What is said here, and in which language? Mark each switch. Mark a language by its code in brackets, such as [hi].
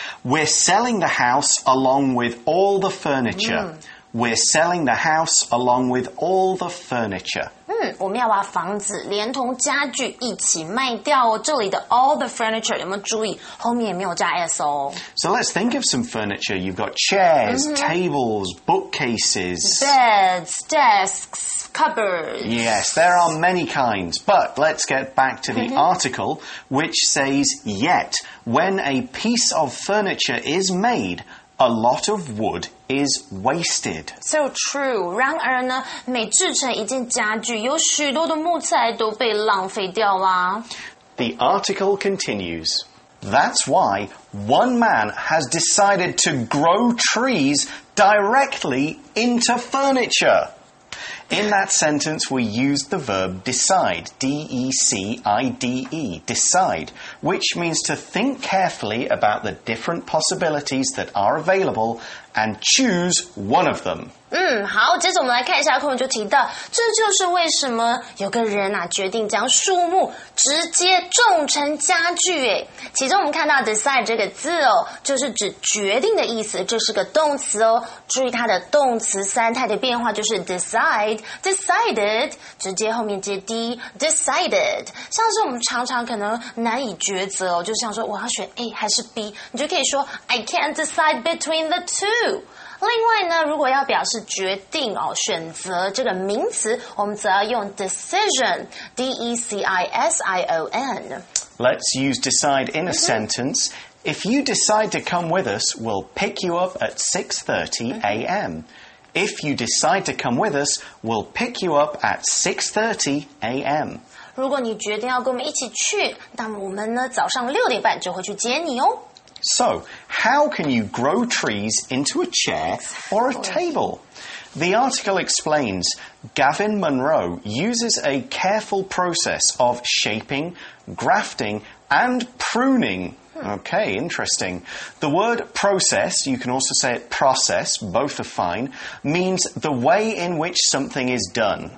[en] We're selling the house along with all the furniture、mm. We're selling the house along with all the furniture. [zh] 我们要把房子连同家具一起卖掉哦。这里的 [en] all the furniture [zh] 有没有注意？后面也没有加 s 哦。 [en] So let's think of some furniture. You've got chairs,、mm-hmm. tables, bookcases, beds, desks, cupboards. Yes, there are many kinds. But let's get back to the、mm-hmm. article, which says, yet, when a piece of furniture is made,A lot of wood is wasted. So true. [zh] 然而呢，每制成一件家具，有许多的木材都被浪费掉啦。 [en] The article continues. That's why one man has decided to grow trees directly into furniture. In that sentence, we used the verb decide. D-E-C-I-D-E. Decide. Which means to think carefully about the different possibilities that are available and choose one of them. [zh] 好，接着我们来看一下课文就提到，这就是为什么有个人啊决定将树木直接种成家具耶。其中我们看到 decide 这个字哦，就是指决定的意思，这是个动词哦。注意它的动词三态的变化，就是 decided 直接后面接 decided， 像是我们常常可能难以抉择哦，就像说我要选 A 还是 B， 你就可以说 [en] I can't decide between the two。 [zh] 另外呢，如果要表示决定哦，选择这个名词，我们则要用 decision， D-E-C-I-S-I-O-N。 [en] Let's use decide in a、mm-hmm. sentence. If you decide to come with us, we'll pick you up at 6:30 a.m. If you decide to come with us, we'll pick you up at 6:30 a.m. [zh] 如果你决定要跟我们一起去，那我们呢早上六点半就会去接你哦。 [en] So, how can you grow trees into a chair or a table? The article explains, Gavin Munro uses a careful process of shaping, grafting, and pruning. Okay, interesting. The word process, you can also say it process, both are fine, means the way in which something is done.